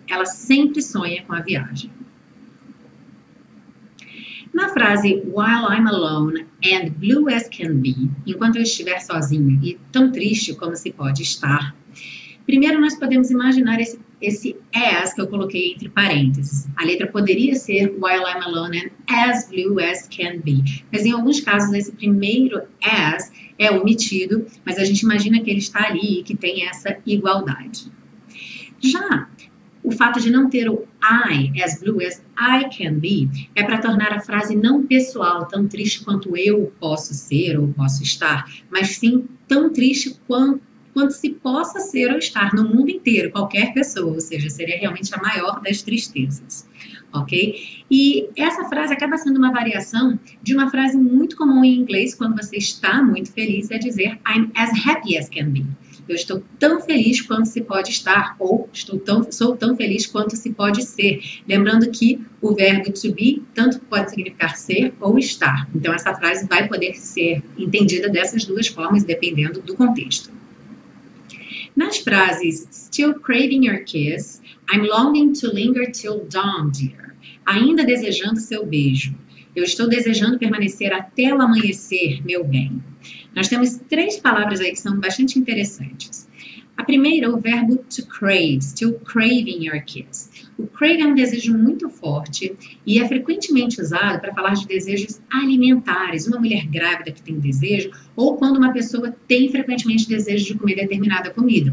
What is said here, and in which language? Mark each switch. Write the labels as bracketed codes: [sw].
[pt] Ela sempre sonha com a viagem. Na frase [en] while I'm alone and blue as can be, [pt] enquanto eu estiver sozinha e tão triste como se pode estar, primeiro nós podemos imaginar esse as que eu coloquei entre parênteses. A letra poderia ser [en] while I'm alone and as blue as can be. [pt] Mas em alguns casos esse primeiro as é omitido, mas a gente imagina que ele está ali e que tem essa igualdade. Já o fato de não ter o [en] I as blue as I can be [pt] é para tornar a frase não pessoal, tão triste quanto eu posso ser ou posso estar, mas sim tão triste quanto se possa ser ou estar no mundo inteiro, qualquer pessoa, ou seja, seria realmente a maior das tristezas, ok? E essa frase acaba sendo uma variação de uma frase muito comum em inglês quando você está muito feliz, é dizer [en] I'm as happy as can be. [pt] Eu estou tão feliz quanto se pode estar, ou sou tão feliz quanto se pode ser. Lembrando que o verbo to be tanto pode significar ser ou estar. Então, essa frase vai poder ser entendida dessas duas formas, dependendo do contexto. Nas frases [en] still craving your kiss, I'm longing to linger till dawn, dear. [pt] Ainda desejando seu beijo. Eu estou desejando permanecer até o amanhecer, meu bem. Nós temos três palavras aí que são bastante interessantes. A primeira, o verbo to crave, [en] still craving your kiss. [pt] O crave é um desejo muito forte e é frequentemente usado para falar de desejos alimentares, uma mulher grávida que tem desejo, ou quando uma pessoa tem frequentemente desejo de comer determinada comida.